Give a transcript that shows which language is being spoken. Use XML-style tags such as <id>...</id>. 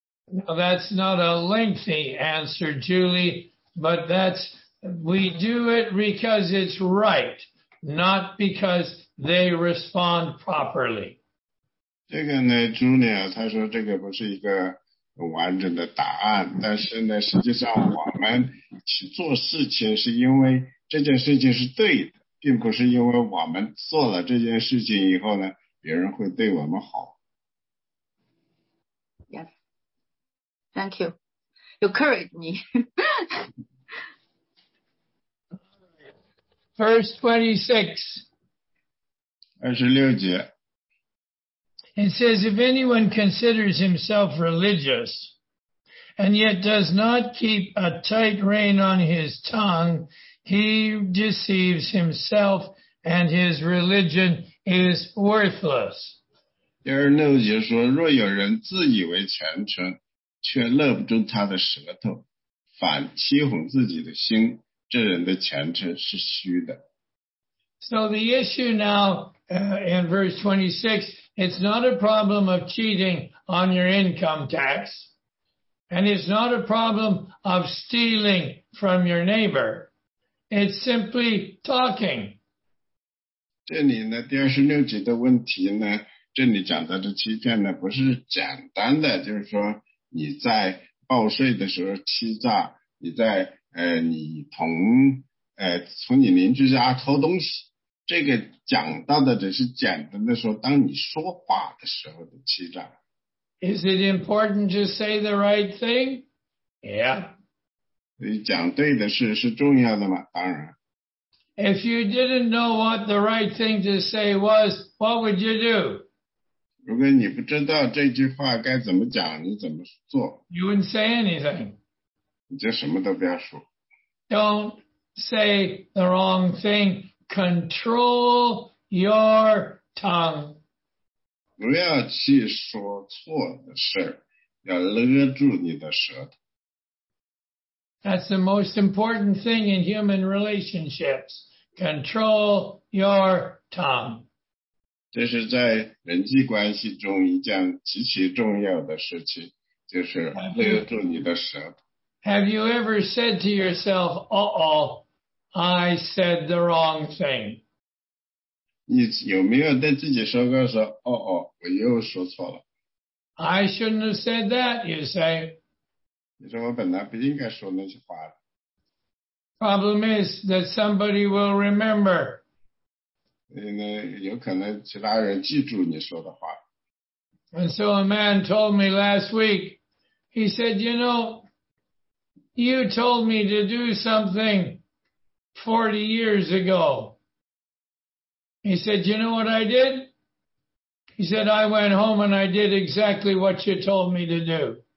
<en>Now that's not a lengthy answer, Julie, but that's, we do it because it's right, not because they respond properly.</en> <zh>这个呢 Julia 他说这个不是一个完整的答案，但是呢实际上我们去做事情是因为这件事情是对的，并不是因为我们做了这件事情以后呢别人会对我们好。</zh> <en>Yes. Thank you. You encouraged me. Verse 26. It says, if anyone considers himself religious and yet does not keep a tight rein on his tongue, he deceives himself and his religion is worthless.</en> <zh>第二六节说，若有人自以为虔诚，却勒不住他的舌头，反欺哄自己的心，这人的虔诚是虚的。</zh> <en>So the issue now in verse 26, it's not a problem of cheating on your income tax, and it's not a problem of stealing from your neighbor. It's simply talking.</en> <zh>这里呢，第二十六节的问题呢，这里讲到的欺骗呢，不是简单的，就是说你在报税的时候欺诈，你在你同从你邻居家偷东西。这个讲到的只是简单的说，当你说话的时候的欺诈。</zh> <en>Is it important to say the right thing? Yeah.</en> <zh>你讲对的事是重要的吗？当然。</zh> <en>If you didn't know what the right thing to say was, what would you do?</en> <zh>如果你不知道这句话该怎么讲，你怎么做？</zh> <en>You wouldn't say anything.</en> <zh>你就什么都不要说。</zh> <en>Don't say the wrong thing. Control your tongue.</en> <zh>不要去说错的事，要勒住你的舌头。</zh> <en>That's the most important thing in human relationships. Control your tongue.</en> <zh>这是在人际关系中一件极其重要的事情，就是勒住你的舌头。</zh> <en>Have you ever said to yourself, uh-oh, I said the wrong thing?</en> <zh>你有没有对自己说过说，uh-oh, 我又说错了。</zh> <en>I shouldn't have said that, you say.</en> <zh>你说我本来不应该说那些话的。</zh> <en>Problem is that somebody will remember.</en> <zh>有可能其他人记住你说的话。</zh> <en>And so a man told me last week, he said, you know, you told me to do something 40 years ago. He said, you know what I did? He said, I went home and I did exactly what you told me to do.</en>